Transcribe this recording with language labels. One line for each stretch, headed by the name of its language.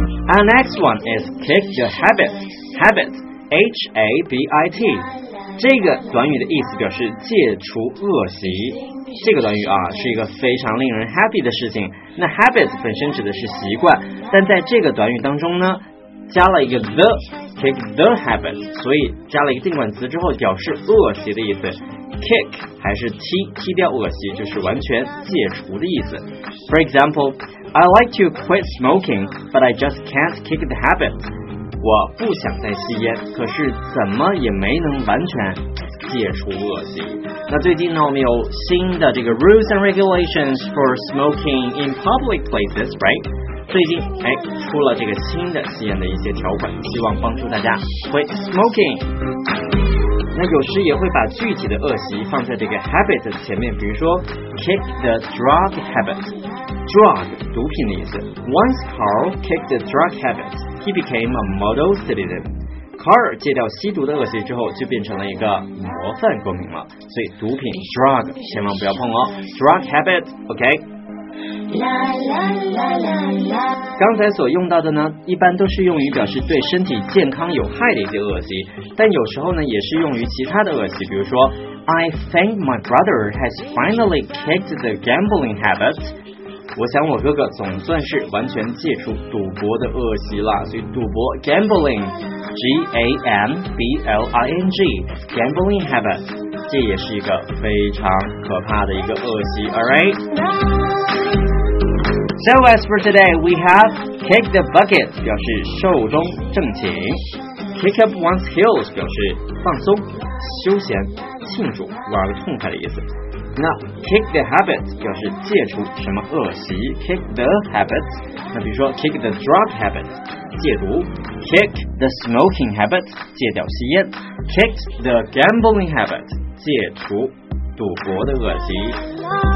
English: Our next one is kick the habit. Habit, H-A-B-I-T.
Chinese: 这个短语的意思表示戒除恶习，这个短语啊是一个非常令人 happy 的事情。那 habit 本身指的是习惯，但在这个短语当中呢加了一个 the kick the habit， 所以加了一个定冠词之后表示恶习的意思。 kick 还是踢，踢掉恶习就是完全戒除的意思。
English: For example, I like to quit smoking but I just can't kick the habit.
Chinese: 我不想再吸烟，可是怎么也没能完全戒除恶习。那最近呢，我们有新的这个
English: rules and regulations for smoking in public places, right?
Chinese: 最近哎，出了这个新的吸烟的一些条款，希望帮助大家 quit smoking。那有时也会把具体的恶习放在这个 habit 的前面，比如说 kick the drug habit, drug 毒品的意思。
English: Once Carl kicked the drug habit. He became a model citizen.
Chinese: Carl 戒掉吸毒的恶习之后，就变成了一个模范公民了。所以毒品 drug 千万不要碰哦。
English: Drug habit, OK?
Chinese: 刚才所用到的呢，一般都是用于表示对身体健康有害的一些恶习，但有时候呢，也是用于其他的恶习，比如说
English: I think my brother has finally kicked the gambling habit.
Chinese: 我想我哥哥总算是完全戒除赌博的恶习了，所以赌博 gambling, G-A-M-B-L-I-N-G, gambling habit, 这也是一个非常可怕的一个恶习 ,alright?
English: So as for today, we have kick the bucket,
Chinese: 表示寿终正寝
English: ,kick up one's heels,
Chinese: 表示放松、休闲、庆祝、玩个痛快的意思。那 kick the habit 表示戒除什么恶习， kick the habit， 那比如说 kick the drug habit 戒毒， kick the smoking habit 戒掉吸烟， kick the gambling habit 戒除赌博的恶习。